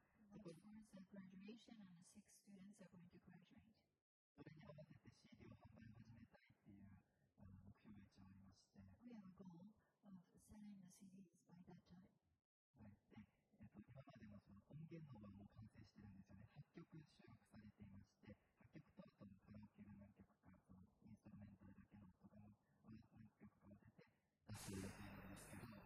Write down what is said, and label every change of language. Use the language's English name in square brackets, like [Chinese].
[English] graduation and the six students are going to graduate. [Japanese] それに合わせて CD を販売を始めたいっていう目標が一応ありまして。 [English] We have a goal of selling the CDs by that time. [Japanese] はい。で、今までもその音源の場も完成してるんですよね。 8曲収録されていまして、8曲とあとのカラオケの何曲か、そのインストルメンタルだけの音の何曲か合わせて出す予定なんですけど。